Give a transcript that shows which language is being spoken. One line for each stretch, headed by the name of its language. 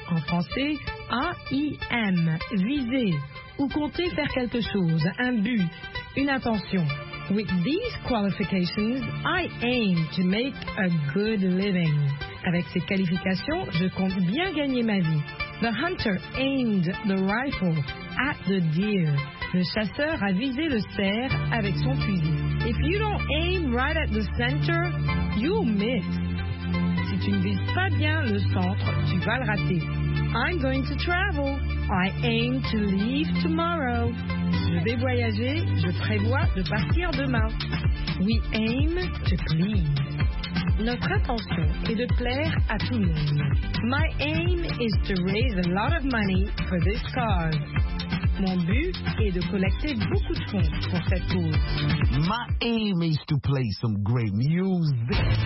French: En français, A-I-M, viser, ou compter faire quelque chose, un but, une intention.
English: With these qualifications, I aim to make a good living.
French: Avec ces qualifications, je compte bien gagner ma vie.
English: The hunter aimed the rifle at the deer.
French: Le chasseur a visé le cerf avec son fusil.
English: If you don't aim right at the center, you'll miss.
French: Si tu ne vises pas bien le centre, tu vas le rater. I'm going to travel.
English: I aim to leave tomorrow. Je vais voyager.
French: Je prévois de partir demain. We aim to please. Notre intention est de plaire à tout le monde.
English: My aim is to raise a lot of money for this cause.
French: Mon but est de collecter beaucoup de fonds pour cette cause.
English: My aim is to play some great music.